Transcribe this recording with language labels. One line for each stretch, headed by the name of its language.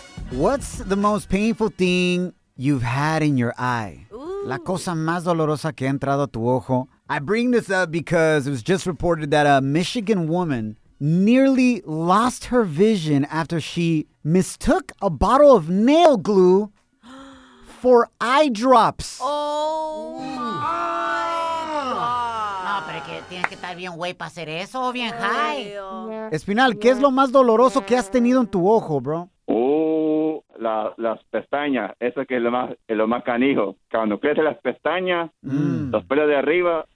English: What's the most painful thing you've had in your eye? Ooh.
Spanish: La cosa más dolorosa que ha entrado a tu ojo.
English: I bring this up because it was just reported that a Michigan woman nearly lost her vision after she mistook a bottle of nail glue for eye drops. Oh, my God.
Spanish: No, pero que tienes que estar bien güey para hacer eso, bien high.
English: Yeah.
Spanish: Espinal, ¿qué es lo más doloroso que has tenido en tu ojo, bro? Las pestañas, eso que es lo más canijo. Cuando crecen las pestañas, los pelos de arriba.